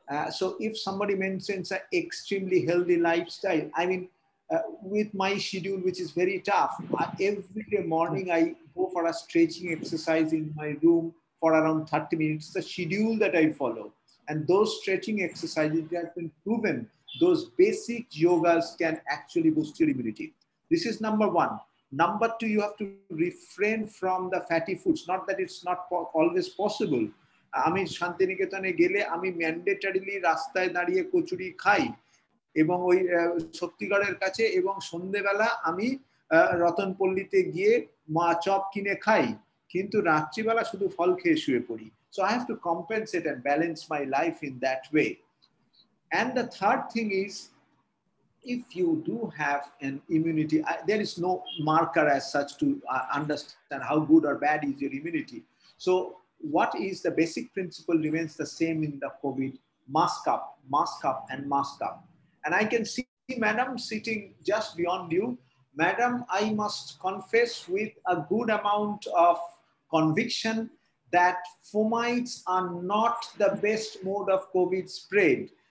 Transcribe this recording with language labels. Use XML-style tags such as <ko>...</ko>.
<en>So if somebody mentions an extremely healthy lifestyle, I mean, with my schedule, which is very tough, every day morning I go for a stretching exercise in my room for around 30 minutes, the schedule that I follow. And those stretching exercises, it has been proven, those basic yogas can actually boost your immunity. This is number one. Number two, you have to refrain from the fatty foods. Not that it's not always possible.</en> <bn>আমি শান্তিনিকেতনে গেলে আমি mandatorily রাস্তায় দাঁড়িয়ে কচুরি খাই এবং ওই শক্তিগড়ের কাছে এবং সন্ধ্যেবেলা আমি রতনপল্লিতে গিয়ে মা চপ কিনে খাই কিন্তু রাত্রিবেলা শুধু ফল খেয়ে শুয়ে পড়ি.</bn> <en>So I have to compensate and balance my life in that way. And the third thing is, if you do have an immunity, there is no marker as such to understand how good or bad is your immunity. So what is the basic principle remains the same in the COVID: mask up and mask up. And I can see madam sitting just beyond you. Madam, I must confess with a good amount of conviction that fumites are not the best mode of COVID spread.</en>